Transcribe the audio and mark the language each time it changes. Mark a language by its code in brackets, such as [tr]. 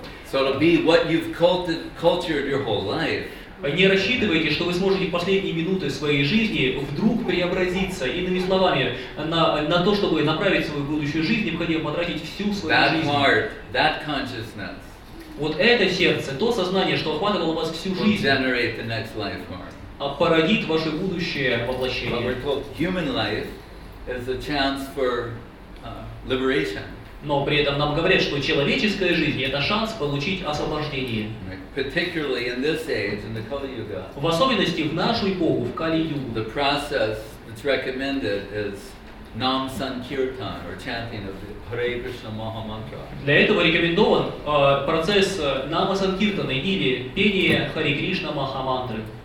[en] So it'll be what you've cultured your whole life. [ru] Не рассчитывайте, что вы сможете последние минуты своей жизни вдруг преобразиться. Иными словами, на то, чтобы направить свою будущую жизнь, необходимо потратить всю свою [en] that [ru] жизнь. [en] Heart, that consciousness. [ru] Вот это сердце, то сознание, что охватывало вас всю жизнь. [en] Generate the next life form. [ru] А породит ваше будущее воплощение. [en] But we're told human life is a chance for liberation. [ru] Но при этом нам говорят, что человеческая жизнь – это шанс получить освобождение. [en] Particularly in this age, in the Kali Yuga. [ru] В особенности в нашу эпоху, в Кали-Югу. [en] The process that's recommended is Nam Sankirtan, or chanting of the Hare Krishna Maha Mantra. [ru] Для этого рекомендован процесс Нама Санкиртана или пение Хари Кришна Маха Мантры.